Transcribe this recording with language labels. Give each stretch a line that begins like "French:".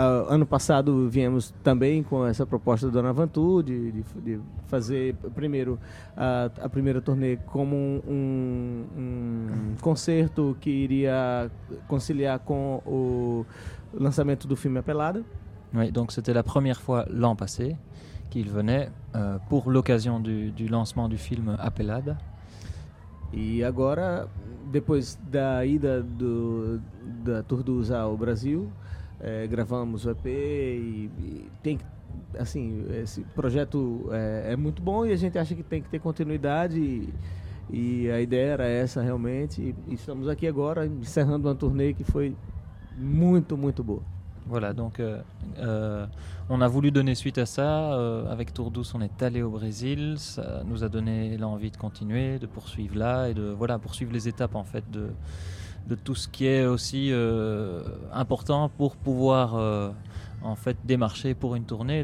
Portuguese: Ano passado viemos também com essa proposta do En Avant Tout de fazer primeiro a primeira turnê como um concerto que iria conciliar com o lançamento do filme Apelada.
French: Oui, donc c'était la première fois l'an passé qu'il venait pour l'occasion du lancement du film Apelada.
Portuguese: E agora, depois da ida da Tourdousse ao Brasil, gravamos o EP e tem que, assim, esse projeto é muito bom e a gente acha que tem que ter continuidade e a ideia era essa realmente. E estamos aqui agora encerrando uma turnê que foi muito, muito boa.
French: Voilà, donc on a voulu donner suite à ça. Avec Tourdousse, on est allé au Brésil. Ça nous a donné l'envie de continuer, de poursuivre là et de voilà, poursuivre les étapes en fait de tout ce qui est aussi important pour pouvoir en fait démarcher pour une tournée.